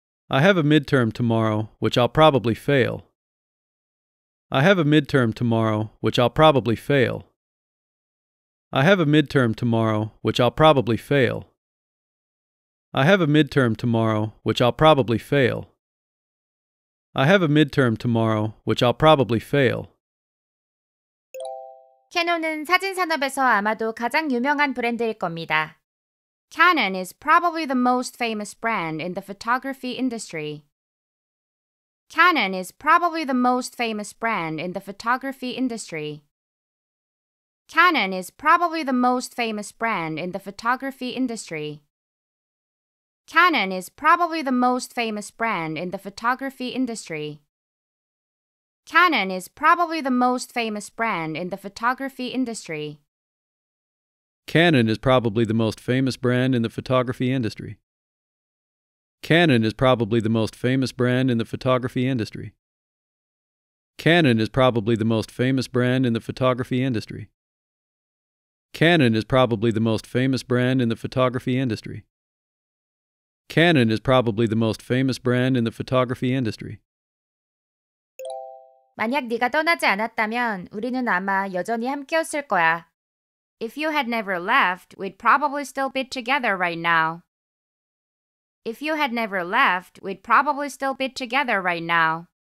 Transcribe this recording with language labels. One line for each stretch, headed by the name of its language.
English: I have a midterm tomorrow, which I'll probably fail. I have a midterm tomorrow, which I'll probably fail. I have a midterm tomorrow, which I'll probably fail. I have a midterm tomorrow, which I'll probably fail. I have a midterm tomorrow, which I'll probably fail.
Korean: 캐논은 사진 산업에서 아마도 가장 유명한 브랜드일 겁니다.
English: Canon is probably the most famous brand in the photography industry. Canon is probably the most famous brand in the photography industry. Canon is probably the most famous brand in the photography industry. Canon is probably the most famous brand in the photography industry. Canon is probably the most famous brand in the photography industry. Canon is probably the most famous brand in the photography industry. Canon is probably the most famous brand in the photography industry. Canon is probably the most famous brand in the photography industry. Canon is probably the most famous brand in the photography industry. Canon is probably the most famous brand in the photography industry.
Korean: 만약 네가 떠나지 않았다면 우리는 아마 여전히 함께였을 거야.
English: If you had never left, we'd probably still be together right now. If you had never left, we'd probably still be together right now.